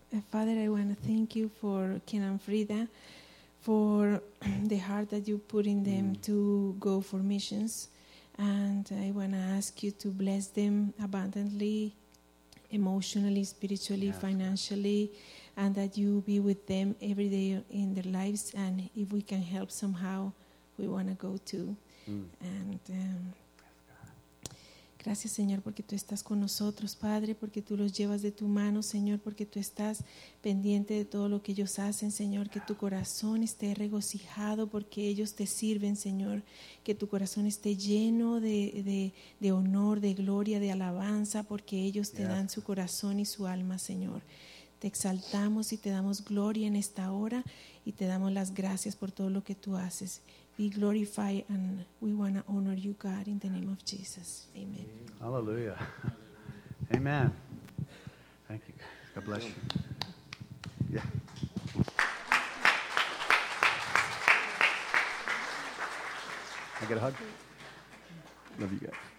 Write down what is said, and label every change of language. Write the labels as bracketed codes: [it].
[en] Father, I want to thank you for Ken and Frida, for the heart that you put in them to go for missions. And I want to ask you to bless them abundantly, emotionally, spiritually, yes. Financially, and that you be with them every day in their lives. And if we can help somehow, we want to go too. [es] And gracias, Señor, porque tú estás con nosotros, Padre, porque tú los llevas de tu mano, Señor, porque tú estás pendiente de todo lo que ellos hacen, Señor, que tu corazón esté regocijado porque ellos te sirven, Señor, que tu corazón esté lleno de honor, de gloria, de alabanza, porque ellos te dan su corazón y su alma, Señor. Te exaltamos y te damos gloria en esta hora y te damos las gracias por todo lo que tú haces. [en] Be glorified, and we want to honor you, God, in the name of Jesus. Amen. Hallelujah. Amen. Thank you. God bless you. Yeah. Can I get a hug? Love you guys.